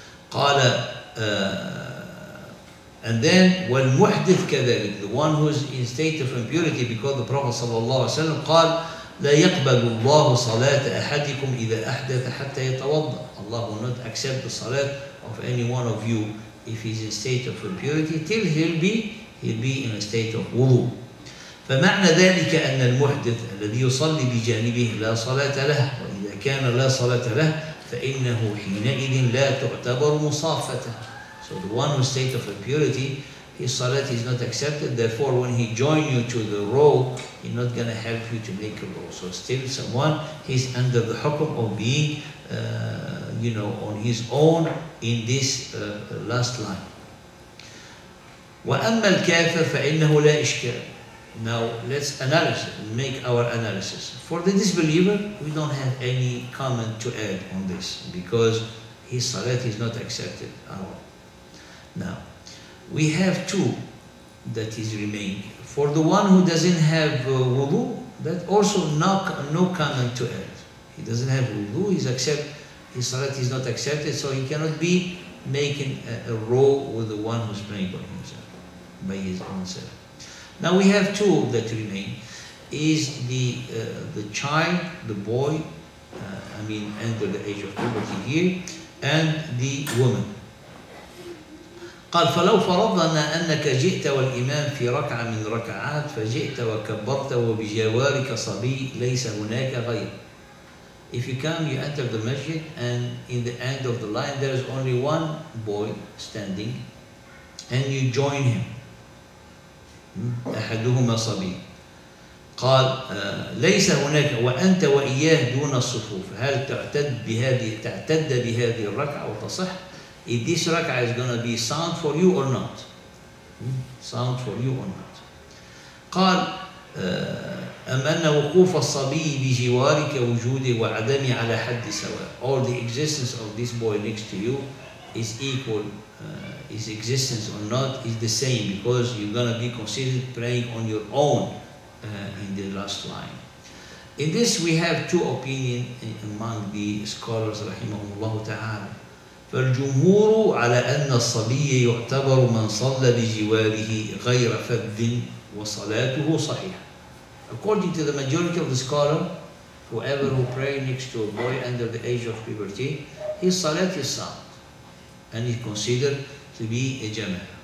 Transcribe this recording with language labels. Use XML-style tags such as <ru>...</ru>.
<ar>قال</ar> <en>and then</en> <ar>والمحدث كذلك,</ar> <en>the one who is in state of impurity, because the Prophet</en> <ar>صلى الله عليه وسلم قال لا يقبل الله صلاة أحدكم إذا أحدث حتى يتوضأ.</ar> <en>Allah will not accept the salat of any one of you if he's in state of impurity till he'll be in a state of wudu.</en> <ar>فمعنى ذلك أن المحدث الذي يصلي بجانبه لا صلاة له, وإذا كان لا صلاة له فإنه حينئذ لا تعتبر مصافته.</ar> <en>So the one who state of impurity, his salat is not accepted. Therefore, when he join you to the row, he's not gonna help you to make a row. So still, someone he's under the hukum of being, you know, on his own in this last line.</en> <ar>وأما الكافر فإنه لا إشكال.</ar> <en>Now let's analyze, make our analysis. For the disbeliever, we don't have any comment to add on this because his salat is not accepted. Now, we have two that is remaining. For the one who doesn't have wudu, that also no comment to add. He doesn't have wudu, his salat is not accepted, so he cannot be making a row with the one who's praying by himself, by his own self. Now we have two that remain, is the child, the boy, I mean under the age of puberty here, and the woman.</en> <ar>قال فلو فرضنا أنك جئت والإمام في ركعة من ركعات فجئت وكبرت وبجوارك صبي ليس هناك غير.</ar> <en>If you come, you enter the masjid, and in the end of the line there is only one boy standing, and you join him.</en> <ar>أحدهما صبي. قال ليس هناك وأنت وإياه دون الصفوف هل تعتد بهذه الركعة وتصح؟</ar> <en>If this raka is gonna be sound for you or not? Sound for you or not? قال</en> <ar>أم أن وقوف الصبي بجوارك وجوده وعدمه على حد سواء.</ar> <en>All the existence of this boy next to you is equal. His existence or not is the same because you're going to be considered praying on your own in the last line. In this we have two opinions among the scholars</en> <ar>رحمه الله تعالى. فالجمهور على أن الصبي يعتبر من صلى بجواره غير فذ وصلاته صحيحة.</ar> <en>According to the majority of the scholar, whoever who pray next to a boy under the age of puberty, his salat is sound and is considered to be a jama'ah.</en>